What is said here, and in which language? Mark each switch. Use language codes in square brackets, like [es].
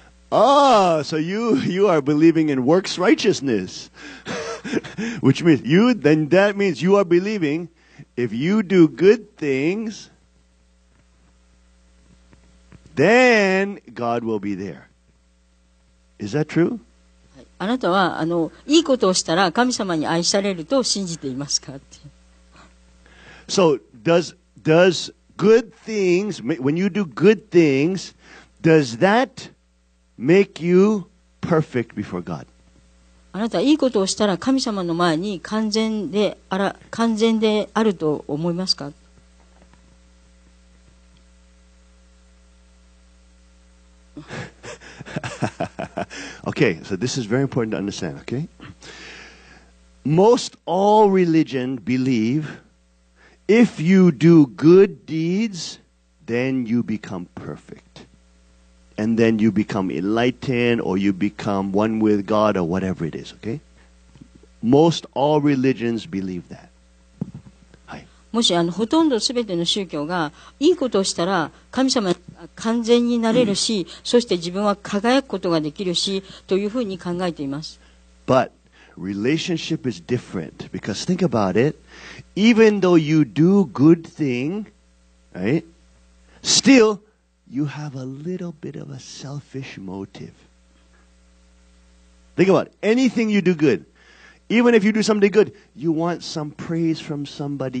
[en] Ah, so you are believing in works righteousness. Which means, that means you are believing... If you do good things, then God will be there. Is that true? [ja] あなたはいいことをしたら神様に愛されると信じていますか? [en] So, does good things, when you do good things, does that make you perfect before God? [ja] あなたはいいことをしたら神様の前に完全であると思いますか? [en] Okay, so this is very important to understand, okay? Most all religion believe if you do good deeds, then you become perfect. And then you become enlightened, or you become one with God, or whatever it is, okay? Most all religions believe that. [ja] もし、ほとんどすべての宗教が、いいことをしたら、神様は完全になれるし、そして自分は輝くことができるし、というふうに考えています。 [en] But, relationship is different, because think about it, even though you do good thing, right? Still,You have a little bit of a selfish motive. Think about it. Anything you do good, even if you do something good, you want some praise from somebody.